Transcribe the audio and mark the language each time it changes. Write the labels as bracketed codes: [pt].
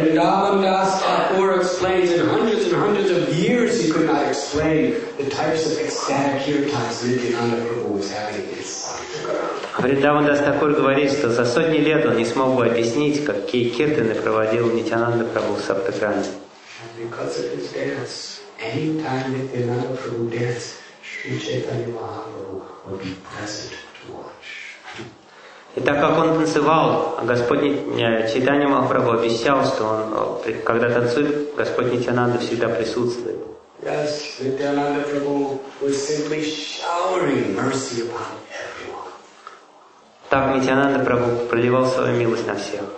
[en] Вриндаван Дас Тхакур explains in hundreds and hundreds of years he could not explain the types of ecstatic kirtans Nityananda Prabhu was having in Саптаграма. [ru] Вриндаван Дас Тхакур говорит, что за сотни лет он не смог бы объяснить, какие киртаны проводил Нитянанда Прабху в Саптаграме. [en] Because of his dance, any time that the Nityananda Prabhu danced, Sri Chaitanya Mahaprabhu would be present to watch. [ru] И так как он танцевал, Господь Чайтанья Махапрабху обещал, что он, когда танцует, Господь Нитянанда всегда присутствует. [en] Yes, Nityananda Prabhu was simply showering mercy upon everyone. [ru] Так Нитянанда Прабху проливал свою милость на всех.